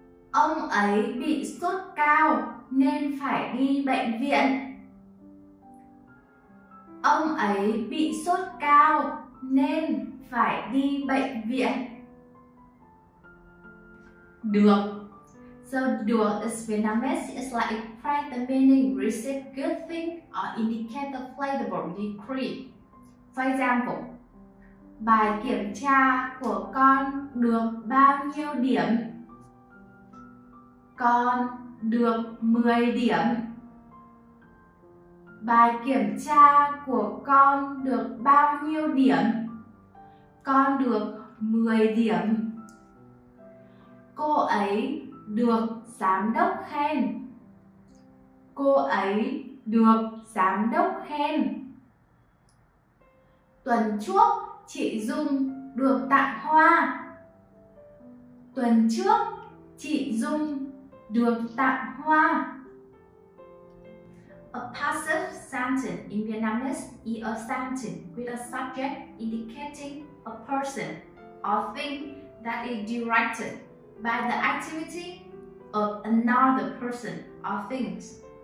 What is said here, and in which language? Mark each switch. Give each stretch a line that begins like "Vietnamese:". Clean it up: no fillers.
Vietnamese: Ông ấy bị sốt cao nên phải đi bệnh viện. Ông ấy bị sốt cao nên phải đi bệnh viện. Được.
English: So được is Vietnamese, it's like express the meaning, receive good thing or indicate the favorable decree. For example,
Vietnamese: bài kiểm tra của con được bao nhiêu điểm? Con được 10 điểm. Bài kiểm tra của con được bao nhiêu điểm? Con được 10 điểm. Cô ấy được giám đốc khen. Cô ấy được giám đốc khen. Tuần trước chị Dung được tặng hoa. Tuần trước chị Dung được tặng hoa.
English: A passive sentence in Vietnamese is a sentence with a subject indicating a person or thing that is directed by the activity of another person or things.